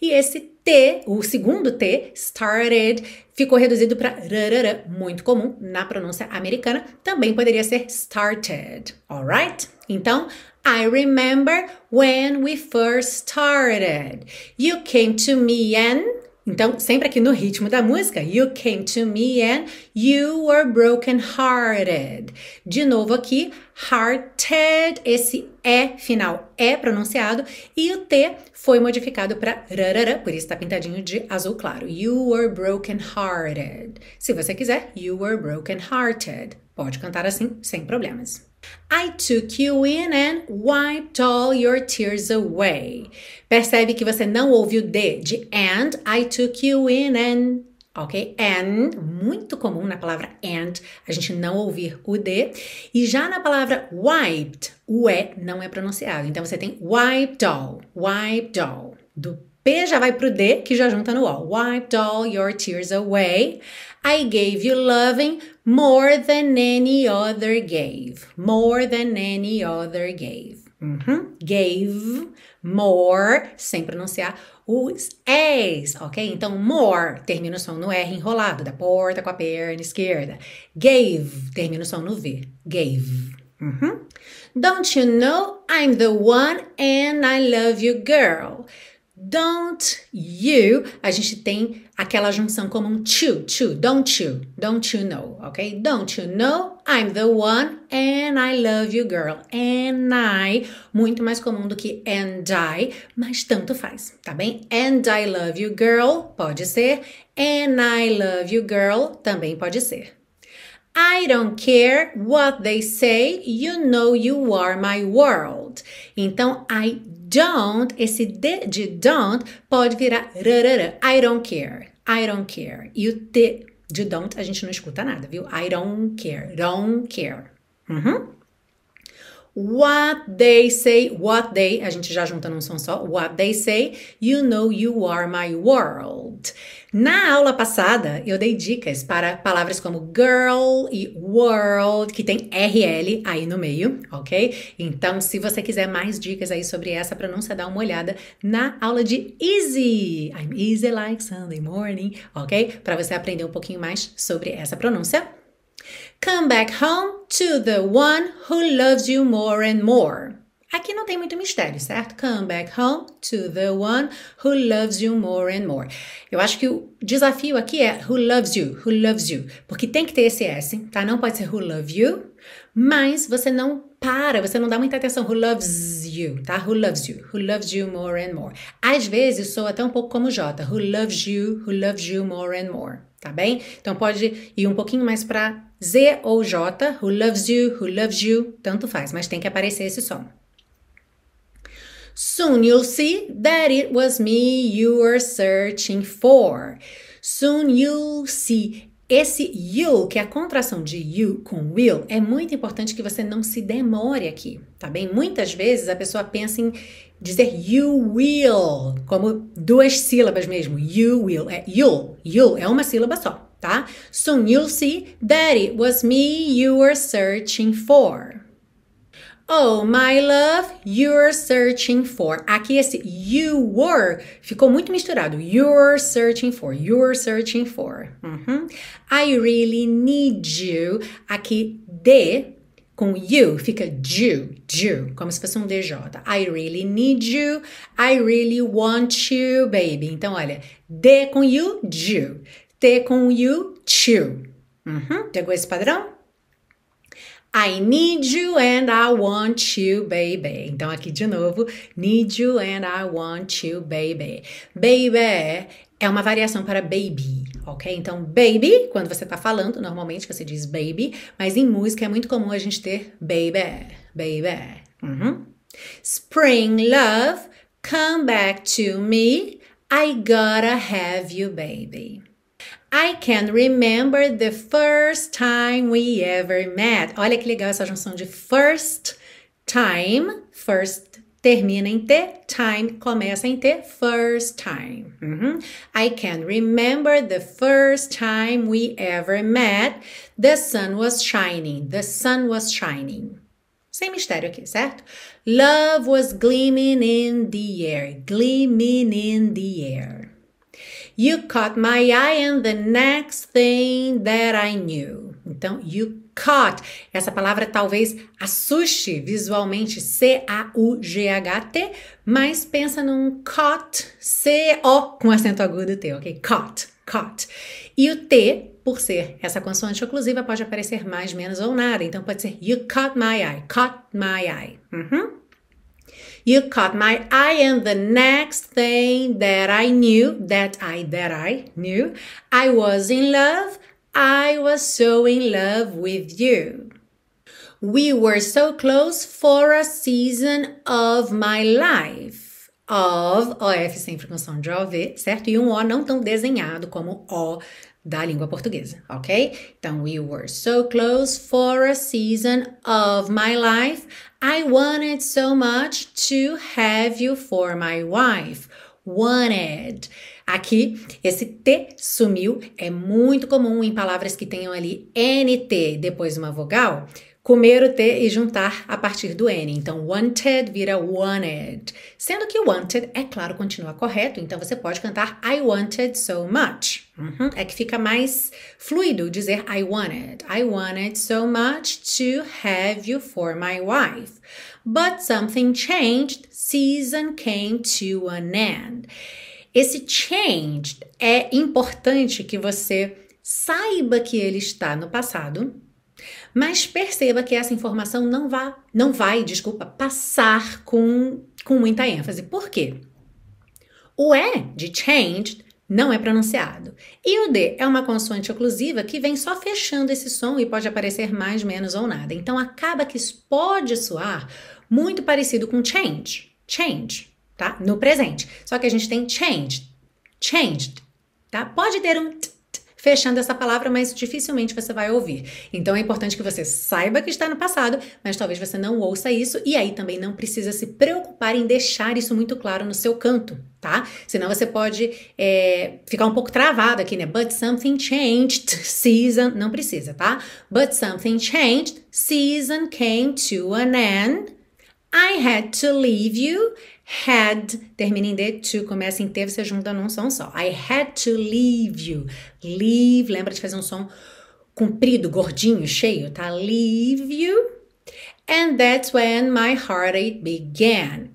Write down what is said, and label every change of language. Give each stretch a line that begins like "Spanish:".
Portuguese: E esse T, o segundo T, started, ficou reduzido para rarara, muito comum na pronúncia americana. Também poderia ser
English: started, alright?
Portuguese: Então,
English: I remember when we first started. You came to me and.
Portuguese: Então, sempre aqui no ritmo da música.
English: You came to me and you were broken-hearted.
Portuguese: De novo aqui, hearted, esse E final é pronunciado. E o T foi modificado para rarara, por isso está pintadinho de azul claro.
English: You were broken-hearted.
Portuguese: Se você quiser,
English: you were broken-hearted.
Portuguese: Pode cantar assim, sem problemas.
English: I took you in and wiped all your tears away.
Portuguese: Percebe que você não ouviu de and.
English: I took you in and.
Portuguese: Ok? And, muito comum na palavra and, a gente não ouvir o D. E já na palavra wiped, o E não é pronunciado. Então você tem
English: wiped all,
Portuguese: do P já vai pro D, que já junta no O.
English: Wiped all your tears away. I gave you loving more than any other gave. More than any other gave.
Portuguese: Gave more, sem pronunciar os E's, ok? Então, more, termina o som no R enrolado, da porta com a perna esquerda. Gave, termina o som no V. Gave.
English: Don't you know I'm the one and I love you, girl? Don't you?
Portuguese: A gente tem aquela junção como um to,
English: don't you? Don't you know, ok? Don't you know I'm the one and I love you, girl. And I,
Portuguese: muito mais comum do que and I, mas tanto faz, tá bem?
English: And I love you, girl,
Portuguese: pode ser.
English: And I love you, girl,
Portuguese: também pode ser.
English: I don't care what they say, you know you are my world.
Portuguese: Então,
English: I don't,
Portuguese: esse D de don't pode virar rarara.
English: I don't care, I don't care.
Portuguese: E o T de don't a gente não escuta nada, viu?
English: I don't care, don't care. What they say, what they,
Portuguese: a gente já junta num som só,
English: what they say, you know you are my world.
Portuguese: Na aula passada, eu dei dicas para palavras como girl e world, que tem RL aí no meio, ok? Então, se você quiser mais dicas aí sobre essa pronúncia, dá uma olhada na aula de Easy.
English: I'm easy like Sunday morning, ok?
Portuguese: Para você aprender um pouquinho mais sobre essa pronúncia.
English: Come back home to the one who loves you more and more.
Portuguese: Aqui não tem muito mistério, certo?
English: Come back home to the one who loves you more and more.
Portuguese: Eu acho que o desafio aqui é
English: who loves you,
Portuguese: porque tem que ter esse S, tá? Não pode ser
English: who love you,
Portuguese: mas você não para, você não dá muita atenção.
English: Who loves you, tá? Who loves you more and more.
Portuguese: Às vezes soa até um pouco como Jota.
English: Who loves you more and more.
Portuguese: Tá bem? Então pode ir um pouquinho mais para Z ou J,
English: who loves you,
Portuguese: tanto faz, mas tem que aparecer esse som.
English: Soon you'll see that it was me you were searching for. Soon you'll see.
Portuguese: Esse you, que é a contração de you com will, é muito importante que você não se demore aqui, tá bem? Muitas vezes a pessoa pensa em dizer
English: you will,
Portuguese: como duas sílabas mesmo.
English: You will,
Portuguese: é you. You é uma sílaba só, tá?
English: Soon you'll see that it was me you were searching for. Oh, my love, you're searching for.
Portuguese: Aqui esse you were ficou muito misturado.
English: You're searching for, you're searching for. I really need you.
Portuguese: Aqui de com you fica you, como se fosse um DJ.
English: I really need you. I really want you, baby.
Portuguese: Então, olha, de com you. Te com you, too. Pegou esse padrão?
English: I need you and I want you, baby.
Portuguese: Então, aqui de novo,
English: need you and I want you, baby.
Portuguese: Baby é uma variação para baby, ok? Então, baby, quando você tá falando, normalmente você diz baby, mas em música é muito comum a gente ter
English: baby, baby. Spring love, come back to me, I gotta have you, baby. I can remember the first time we ever met.
Portuguese: Olha que legal essa junção de
English: first time.
Portuguese: First termina em T, time começa em T,
English: first time. I can remember the first time we ever met. The sun was shining, the sun was shining.
Portuguese: Sem mistério aqui, certo?
English: Love was gleaming in the air, gleaming in the air. You caught my eye and the next thing that I knew.
Portuguese: Então,
English: you caught.
Portuguese: Essa palavra talvez assuste visualmente, C-A-U-G-H-T, mas pensa num caught, C-O com acento agudo T, ok? Caught, caught. E o T, por ser essa consoante oclusiva, pode aparecer mais, menos ou nada. Então, pode ser
English: you caught my eye, caught my eye. You caught my eye and the next thing that I knew, that I knew, I was in love, I was so in love with you. We were so close for a season of my life.
Portuguese: Of, OF sempre com som de OV, certo? E um O não tão desenhado como O da língua portuguesa, ok? Então,
English: we were so close for a season of my life. I wanted so much to have you for my wife.
Portuguese: Wanted. Aqui, esse T sumiu. É muito comum em palavras que tenham ali NT depois uma vogal, comer o T e juntar a partir do N. Então, wanted vira wanted. Sendo que wanted, é claro, continua correto. Então, você pode cantar
English: I wanted so much.
Portuguese: É que fica mais fluido dizer
English: I wanted. I wanted so much to have you for my wife. But something changed. Season came to an end.
Portuguese: Esse changed é importante que você saiba que ele está no passado. Mas perceba que essa informação não vai passar com muita ênfase. Por quê? O E de changed não é pronunciado. E o D é uma consoante oclusiva que vem só fechando esse som e pode aparecer mais, menos ou nada. Então, acaba que isso pode soar muito parecido com change. Change, tá? No presente. Só que a gente tem changed. Changed, tá? Pode ter um fechando essa palavra, mas dificilmente você vai ouvir. Então, é importante que você saiba que está no passado, mas talvez você não ouça isso, e aí também não precisa se preocupar em deixar isso muito claro no seu canto, tá? Senão você pode ficar um pouco travado aqui, né?
English: But something changed, season...
Portuguese: Não precisa, tá?
English: But something changed, season came to an end. I had to leave you.
Portuguese: Had, termina em D, to, começa em T, você junta num som só.
English: I had to leave you.
Portuguese: Leave, lembra de fazer um som comprido, gordinho, cheio, tá?
English: Leave you. And that's when my heartache began.